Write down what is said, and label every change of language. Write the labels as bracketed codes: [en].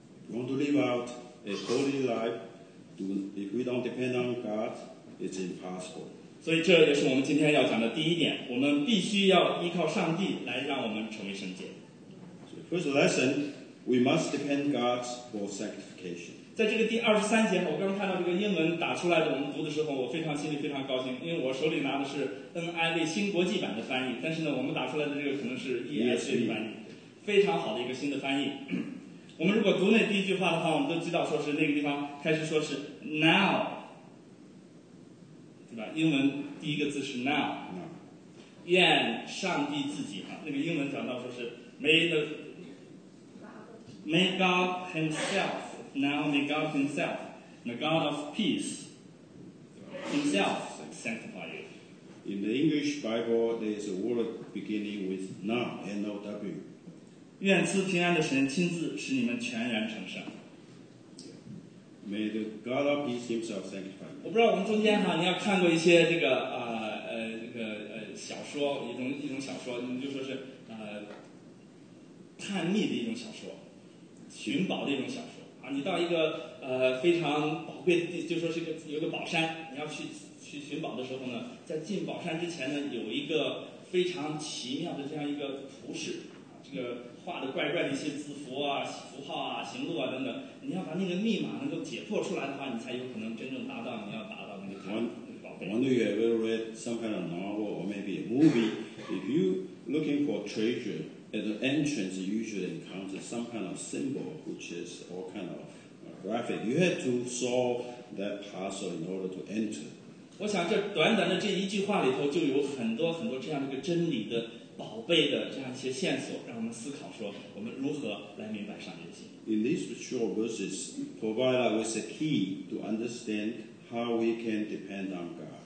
[en] If we want to live out a holy life, if we don't depend on God, it's impossible. [zh] 所以这也是我们今天要讲的第一点，我们必须要依靠上帝来让我们成为圣洁。 [en] So first lesson, we must depend God for sanctification. [zh] 在这个第二十三节，我刚看到这个英文打出来的，我们读的时候，我非常心里非常高兴，因为我手里拿的是 NIV 新国际版的翻译，但是呢，我们打出来的这个可能是 ESV 的翻译，非常好的一个新的翻译。我们如果读那第一句话的话，我们都知道说是那个地方开始说是 now。对吧，英文第一个字是 now， 愿上帝自己哈，那个英文讲到说是 [en] may God himself now may God himself the God of peace himself sanctify you. In the English Bible there is a word beginning with now N-O-W [zh] 愿赐平安的神亲自使你们全然成圣。 [en] May the God of peace himself sanctify. [zh] 我不知道我们中间哈，你要看过一些这个小说，一种小说，你就说是探秘的一种小说，寻宝的一种小说啊。你到一个非常宝贵的地，就说是一个有一个宝山，你要去寻宝的时候呢，在进宝山之前呢，有一个非常奇妙的这样一个图示，啊、这个。画的怪怪的一些字符啊、符号啊、行路啊等等，你要把那个密码能够解破出来的话，你才有可能真正达到你要达到那个宝贝。 [en] Wonder you ever read some kind of novel or maybe a movie? If you looking for treasure at the entrance, you usually encounter some kind of symbol, which is all kind of graphic. You had to solve that puzzle in order to enter. [zh] 我想这短短的这一句话里头就有很多很多这样的一个真理的。宝贝的这样一些线索，让我们思考说，我们如何来明白上帝的心。 [en] In these short verses, provide us a key to understand how we can depend on God.